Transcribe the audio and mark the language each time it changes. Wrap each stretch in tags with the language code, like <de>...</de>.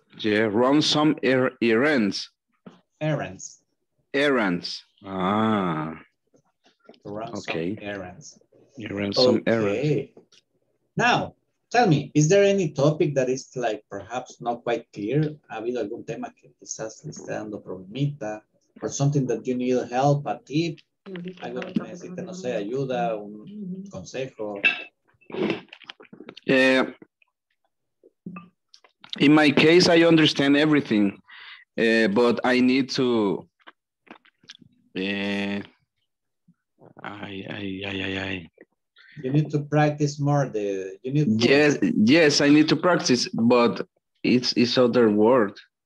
<en>Yeah, run some errands. Errands. Errands. Ah. Run okay. Some errands. You run okay. Some errands. Now, tell me, is there any topic that is like perhaps not quite clear?</en> <es>¿Ha habido algún tema que quizás le esté dando problemita?</es> <en>Or something that you need help, a tip?</en> <es>¿Algo que necesite, no sé, ayuda, un consejo?</es> <en>Yeah. In my case, I understand everything, but I need to You need to practice more. I need to practice, but it's other word.</en>